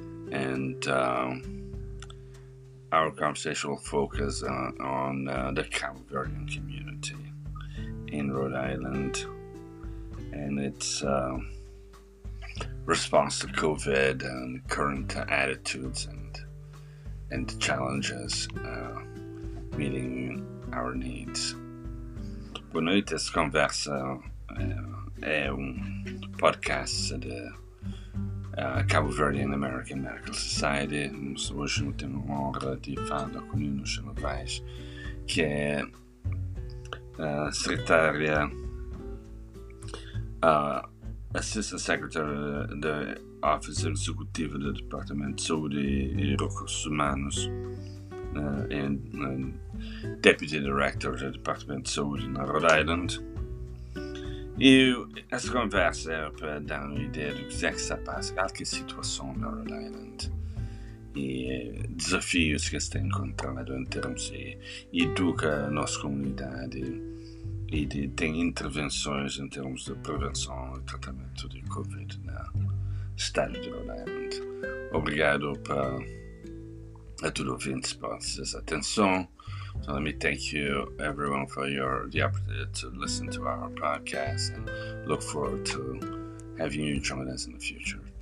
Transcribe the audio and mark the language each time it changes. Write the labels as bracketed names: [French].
[English] And our conversation will focus on the Cabo Verdean community in Rhode Island and its response to COVID and current attitudes and the challenges meeting our needs. [Portuguese] Boa noite, essa conversa é um podcast de Cabo Verdean American Medical Society. Hoje eu tenho a honra de falar com Danusha Novais, que é secretária, [English] Assistant Secretary [Portuguese] da Office Executiva do Departamento de Saúde e Recursos Humanos e [English] Deputy Director [Portuguese] do Departamento de Saúde na Rhode Island. E essa conversa é para dar uma ideia do que está passando, qual é a situação na Rhode Island e desafios que está encontrando em termos de educar a nossa comunidade e de ter intervenções em termos de prevenção e tratamento de COVID no estado de Rhode Island. Obrigado a todos os ouvintes por sua atenção. [English] So let me thank you, everyone, for the opportunity to listen to our podcast and look forward to having you join us in the future.